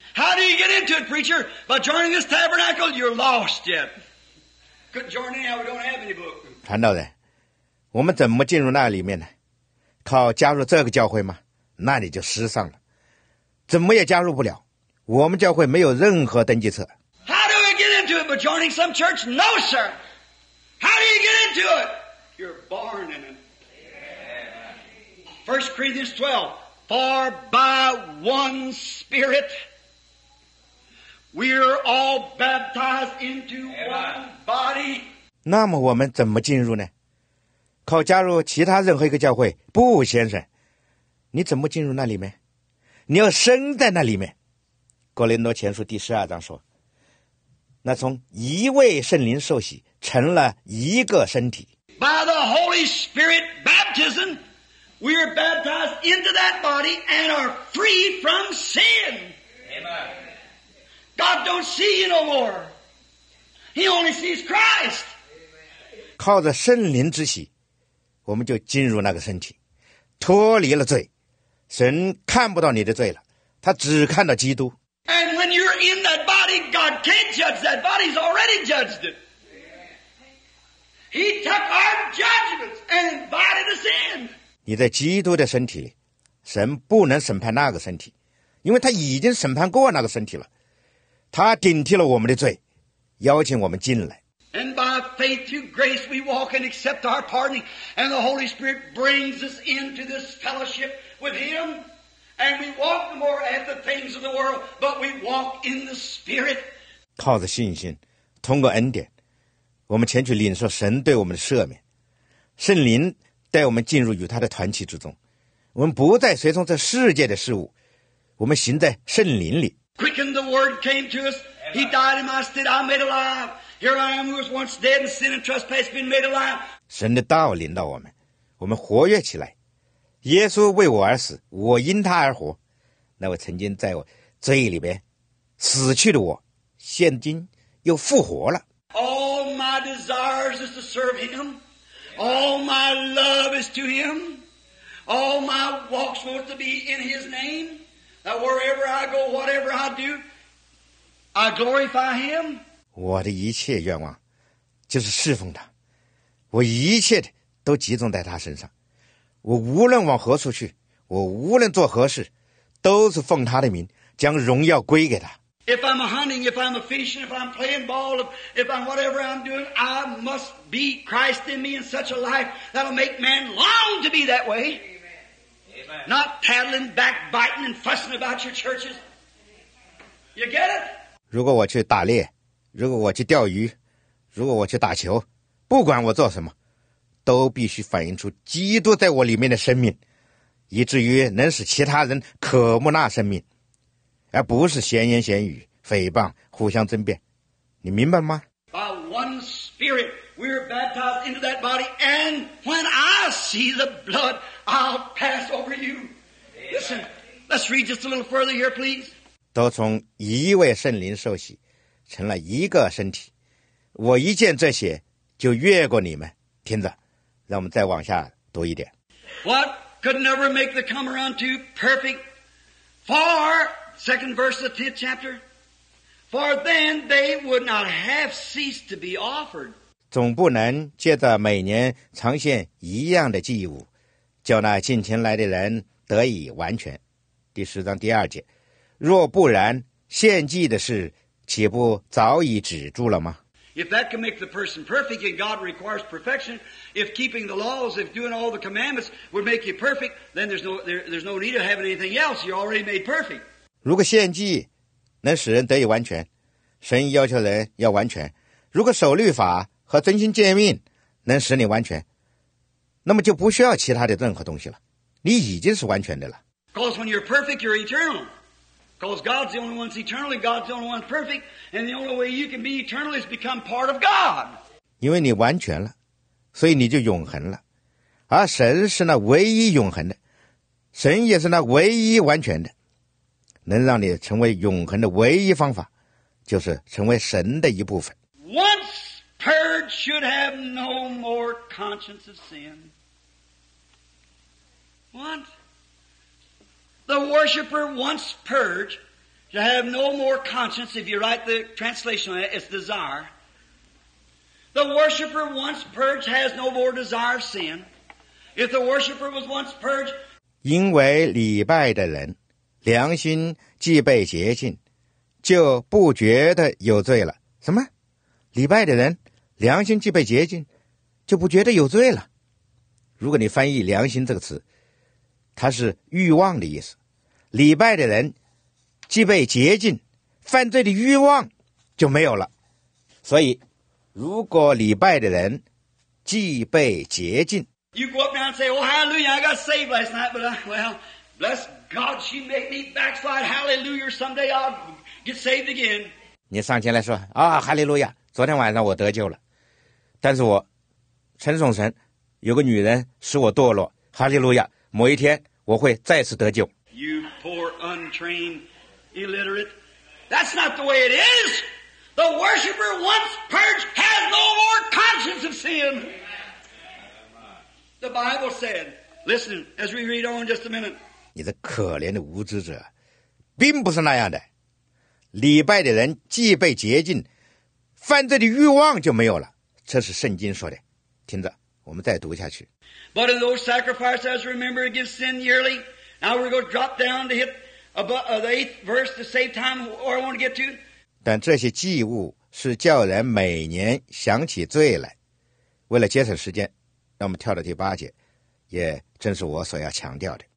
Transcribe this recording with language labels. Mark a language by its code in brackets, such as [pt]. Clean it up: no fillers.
[en] How do you get into it, preacher? By joining this tabernacle, you're lost yet. Couldn't join anyhow, we don't have any book. [zh] 传道人，我们怎么进入那里面呢？靠加入这个教会吗？那你就失丧了，怎么也加入不了。我们教会没有任何登记册。 [en] How do we get into it by joining some church? No, sir. How do you get into it? You're born in it. 1 Corinthians 12. For by one spirit... We're all baptized into one body. [zh] 那么我们怎么进入呢？靠加入其他任何一个教会？不，先生，你怎么进入那里面？你要生在那里面。哥林多前书第十二章说，那从一位圣灵受洗成了一个身体。 [en] By the Holy Spirit baptism, we are baptized into that body and are free from sin. Amen. God don't see you no more. He only sees Christ. [zh] 靠着圣灵之喜，我们就进入那个身体，脱离了罪，神看不到你的罪了，他只看到基督。 [en] And when you're in that body, God can't judge that body. He's already judged it. He took our judgments and invited us in. [zh] 你在基督的身体里，神不能审判那个身体，因为他已经审判过那个身体了。他顶替了我们的罪，邀请我们进来。 [en] And by faith through grace we walk and accept our pardoning, and the Holy Spirit brings us into this fellowship with Him, and we walk no more at the things of the world, but we walk in the Spirit. [zh] 靠着信心，通过恩典，我们前去领受神对我们的赦免，圣灵带我们进入与他的团契之中，我们不再随从这世界的事物，我们行在圣灵里。 [en] Quickened the word came to us. He died in my stead. I'm made alive. Here I am who was once dead in sin and trespass been made alive. [zh] 神的道临到我们，我们活跃起来。耶稣为我而死，我因他而活。那位曾经在我罪里边死去的我，现今又复活了。 [en] All my desires is to serve him. All my love is to him. All my walks want to be in his name. That wherever I go, whatever I do, I glorify Him. [zh] 我的一切愿望就是侍奉他，我一切的都集中在他身上。我无论往何处去，我无论做何事，都是奉他的名，将荣耀归给他。 [en] If I'm a hunting, if I'm a fishing, if I'm playing ball, if I'm whatever I'm doing, I must be Christ in me in such a life that'll make man long to be that way. Not paddling, backbiting, and fussing about your churches. You get it? [zh] 如果我去打猎，如果我去钓鱼，如果我去打球，不管我做什么，都必须反映出基督在我里面的生命，以至于能使其他人渴慕那生命，而不是闲言闲语、诽谤、互相争辩。你明白吗？ [en] By one spirit, we're baptized into that body, and when I see the blood,I'll pass over you. Listen, let's read just a little further here, please. [zh] 都从一位圣灵受洗，成了一个身体。我一见这些，就越过你们。听着，让我们再往下读一点。 [en] What could never make the comer unto perfect For, second verse of the 10th chapter, for then they would not have ceased to be offered. [zh] 总不能借着每年呈现一样的祭物，叫那近前来的人得以完全。第十章第二节，若不然，献祭的事岂不早已止住了吗？ [en] If that can make the person perfect and God requires perfection, if keeping the laws, if doing all the commandments would make you perfect, then there's no need of having anything else. You're already made perfect. [zh] 如果献祭能使人得以完全，神要求人要完全。如果守律法和遵行诫命能使你完全，那么就不需要其他的任何东西了，你已经是完全的了。 [en] Because when you're perfect, you're eternal. Because God's the only one that's eternal, and God's the only one perfect, and the only way you can be eternal is become part of God. [zh] 因为你完全了，所以你就永恒了。而神是那唯一永恒的，神也是那唯一完全的，能让你成为永恒的唯一方法，就是成为神的一部分。 [en] Once purged should have no more conscience of sin. What? The worshiper once purged to have no more conscience. If you write the translation, it's desire. The worshiper once purged has no more desire of sin. If the worshiper was once purged, [zh] 因为礼拜的人良心既被洁净，就不觉得有罪了。什么？礼拜的人良心既被洁净，就不觉得有罪了。如果你翻译良心这个词，它是欲望的意思。礼拜的人既被洁净，犯罪的欲望就没有了。所以如果礼拜的人既被洁净， [en] You go up now and say, Oh hallelujah, I got saved last night, but bless God, she made me backslide, hallelujah, someday I'll get saved again. [zh] 你上前来说啊，哈利路亚，昨天晚上我得救了，但是我称颂神，有个女人使我堕落，哈利路亚，某一天我会再次得救。 [en] You poor, untrained, illiterate. That's not the way it is. The worshiper once purged has no more conscience of sin. The Bible said, listen, as we read on just a minute. [zh] 你的可怜的无知者并不是那样的。礼拜的人既被洁净，犯罪的欲望就没有了。这是圣经说的。听着，我们再读下去。 [en] But in those sacrifices, as remembered against sin yearly,Now we're going to drop down to hit above the 8th verse to save time or I want to get to. [zh] 但这些祭物是叫人每年想起罪来。为了节省时间，让我们跳到第八节，也正是我所要强调的。